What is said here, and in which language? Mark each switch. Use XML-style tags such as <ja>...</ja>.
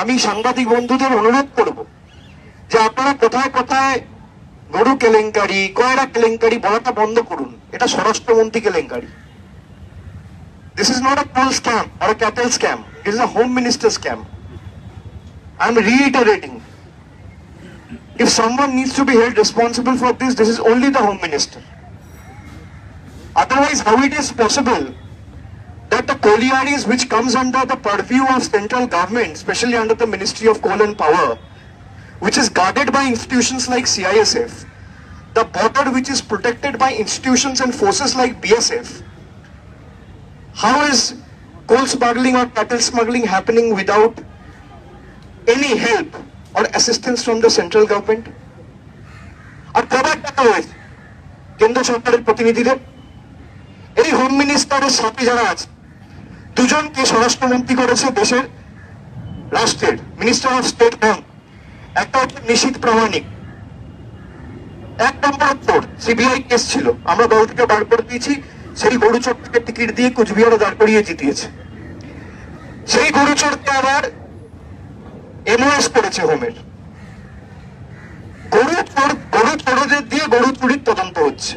<bn>আমি সাংবাদিক বন্ধুদের অনুরোধ করব যে আপনারা কোথায় কোথায় গরু কেলেঙ্কারি, কয়লা কেলেঙ্কারি বলাটা বন্ধ করুন, এটা স্বরাষ্ট্রমন্ত্রী কেলেঙ্কারি।</bn> <en>This is not a toll scam or a cattle scam, it is a home minister scam. I am reiterating, if someone needs to be held responsible for this, this is only the home minister. Otherwise, how it is possible that the collieries which comes under the purview of central government, especially under the Ministry of Coal and Power, which is guarded by institutions like CISF, the border which is protected by institutions and forces like BSF, how is coal smuggling or cattle smuggling happening without any help or assistance from the central government?</en> <bn>আর কবার দেখা হয়েছে কেন্দ্র সরকারের প্রতিনিধিদের? এই home মিনিস্টারের সাথে যারা আছে দুজনকে স্বরাষ্ট্রমন্ত্রী করেছে দেশের রাষ্ট্রের মিনিস্টার অফ স্টেট হোম, একটা হচ্ছে নিশীথ প্রামাণিক, এক নম্বর তোর সিবিআই কেস ছিল, আমরা দল থেকে বার করে দিয়েছি, সেই গরুচোরটাকে টিকিট দিয়ে কুচবিহারে দাঁড় করিয়ে জিতিয়েছে, সেই গরুচোরকে আবার এমওএস করেছে হোমের, গরু চোরদের দিয়ে গরু চুরির তদন্ত হচ্ছে।</bn>